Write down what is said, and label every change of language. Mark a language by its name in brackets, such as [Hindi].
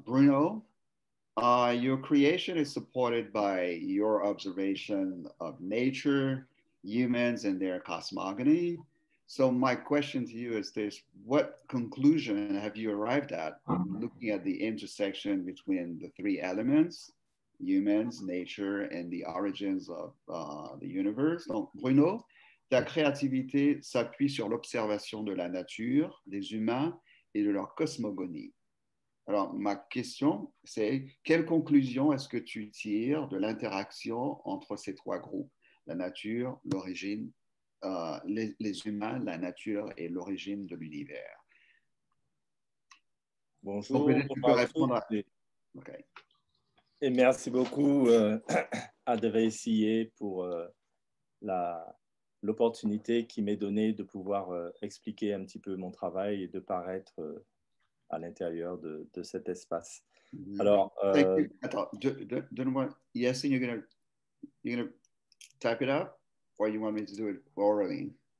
[English] Bruno, your creation is supported by your observation of nature, humans, and their cosmogony. So my question to you is this: what conclusion have you arrived at from looking at the intersection between the three elements, humans, nature, and the origins of the universe? [French] Donc, Bruno, ta créativité s'appuie sur l'observation de la nature, des humains et de leur cosmogonie. Alors, ma question, c'est quelle conclusion est-ce que tu tires de l'interaction entre ces trois groupes, la nature, l'origine, les humains, la nature et l'origine de l'univers? Bonjour. Donc, tu peux répondre à... OK. Et merci beaucoup à DVCAI pour l'opportunité qui m'est donnée de pouvoir expliquer un petit peu mon travail et de paraître à l'intérieur de cet espace. Alors, donne-moi. [English] Yes, and you're gonna type it up, or you want me to do it orally?